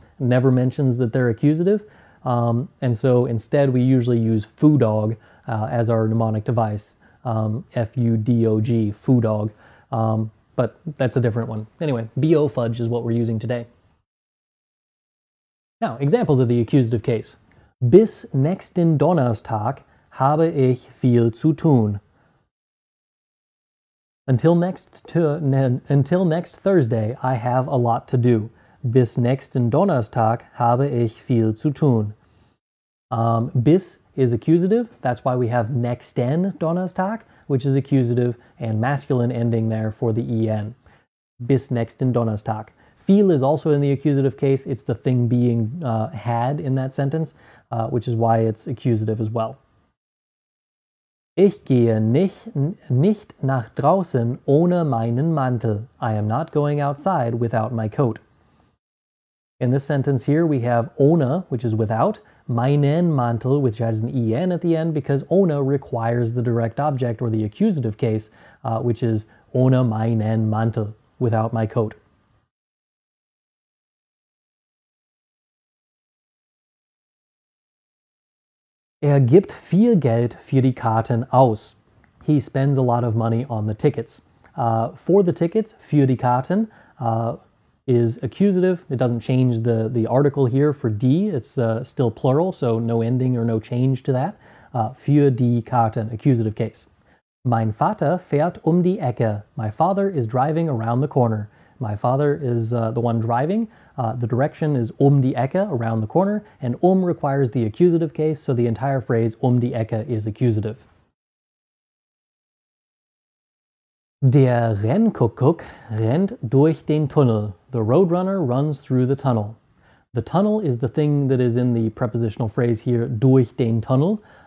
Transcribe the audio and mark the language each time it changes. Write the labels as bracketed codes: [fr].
[en] Never mentions that they're accusative. And so instead we usually use foodog as our mnemonic device. F-U-D-O-G, foodog. But that's a different one. Anyway, B-O fudge is what we're using today. Now, examples of the accusative case. [de] Bis nächsten Donnerstag habe ich viel zu tun. [en] Until next Thursday, I have a lot to do. [de] Bis nächsten Donnerstag habe ich viel zu tun. [en] Bis is accusative. That's why we have [de] nächsten Donnerstag, [en] which is accusative and masculine ending there for the en. [de] Bis nächsten Donnerstag. [en] Viel is also in the accusative case. It's the thing being had in that sentence, which is why it's accusative as well. [de] Ich gehe nicht nach draußen ohne meinen Mantel. [en] I am not going outside without my coat. In this sentence here, we have ohne, which is without, meinen Mantel, which has an en at the end, because ohne requires the direct object or the accusative case, which is [de] ohne meinen Mantel, [en] without my coat. [de] Gibt viel Geld für die Karten aus. [en] He spends a lot of money on the tickets. For the tickets, [de] für die Karten, [en] is accusative. It doesn't change the article here for D. It's still plural, so no ending or no change to that. [de] Für die Karten, [en] accusative case. [de] Mein Vater fährt die Ecke. [en] My father is driving around the corner. My father is the one driving. The direction is [de] die Ecke, [en] around the corner, and requires the accusative case, so the entire phrase die Ecke is accusative. [de] Der Rennkuckuck rennt durch den Tunnel. [en] The roadrunner runs through the tunnel. The tunnel is the thing that is in the prepositional phrase here, [de] durch den Tunnel.